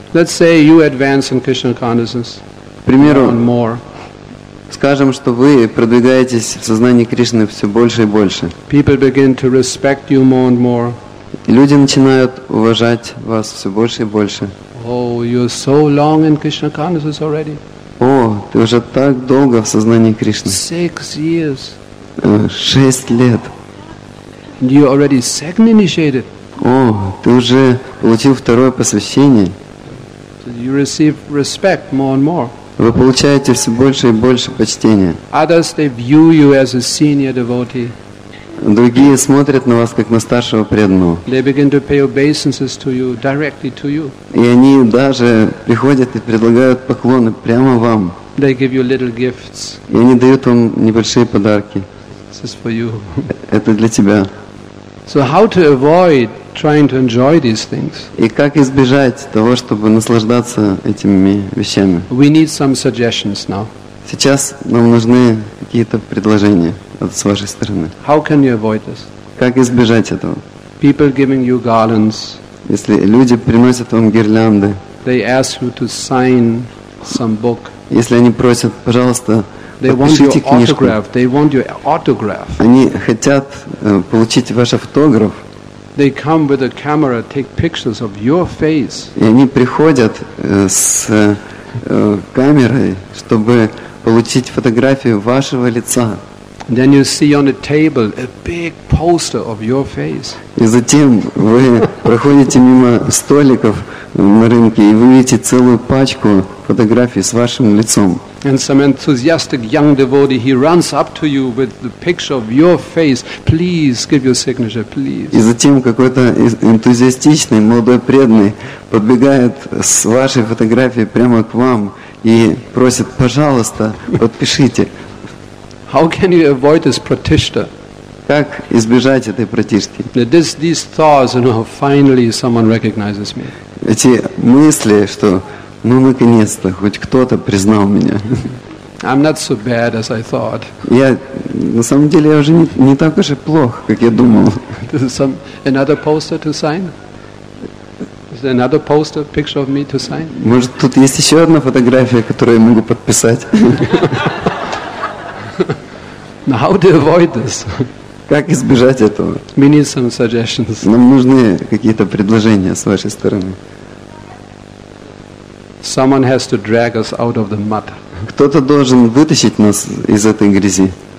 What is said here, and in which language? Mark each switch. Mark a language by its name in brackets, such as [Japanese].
[English] Let's say you advance in Krishna consciousness. [Russian] К примеру, скажем, что вы продвигаетесь в сознании Кришны все больше и больше. [English] People begin to respect you more and more. [Russian] Люди начинают уважать вас все больше и больше. [English] Oh, you're so long in Krishna consciousness already. [Russian] О, ты уже так долго в сознании Кришны. [English] 6 years. [Russian] 6 лет. [English] You already second initiated. [Russian] О, ты уже получил второе посвящение. [English] So you receive respect more and more. [Russian] Вы получаете все больше и больше почтения. [English] Others, they view you as a senior devotee. [Russian] Другие смотрят на вас как на старшего преданного. [English] They begin to pay obeisances to you, directly to you. [Russian] И они даже приходят и предлагают поклоны прямо вам. [English] They give you little gifts. [Russian] И они дают вам небольшие подарки. [English] This is for you. [Russian] Это для тебя. [English] So how to avoid trying to enjoy these things? [Russian] И как избежать того, чтобы наслаждаться этими вещами? [English] We need some suggestions now. [Russian] Сейчас нам нужны какие-то предложения от с вашей стороны. [English] How can you avoid this? [Russian] Как избежать этого? [English] People giving you garlands. [Russian] Если люди приносят вам гирлянды. [English] They ask you to sign some book. [Russian] Если они просят, пожалуйста, подпишите книжку. [English] They want your autograph. [Russian] Они хотят получить ваш автограф. [English] They come with a camera, take pictures of your face. [Russian] И они приходят с камерой, чтобы получить фотографию вашего лица. [English] Then you see on the table a big poster of your face. [Russian] И затем вы проходите мимо столиков на рынке и вы видите целую пачку фотографий с вашим лицом. [English] And some enthusiastic young devotee, he runs up to you with the picture of your face. Please give your signature, please. [Russian] И затем какой-то энтузиастичный молодой преданный подбегает с вашей фотографией прямо к вам и просит: пожалуйста, подпишите. [English] How can you avoid this pratishtha? [Russian] Как избежать этой пратишки? [English] These thoughts, you know, finally someone recognizes me. [Russian] Эти мысли, что ну наконец-то хоть кто-то признал меня. I'm not so bad as I thought. Я на самом деле я уже не так уж и плох, как я думал. [English] This is some another poster to sign? Is there another poster picture of me to sign? [Russian] Может, тут есть еще одна фотография, которую я могу подписать? [English] Now, how to avoid this? [Russian] Как избежать этого? [English] We need some suggestions. [Russian] Нам нужны какие-то предложения с вашей стороны. [English] Someone has to drag us out of the mud. [Russian] Кто-то должен вытащить нас из этой грязи.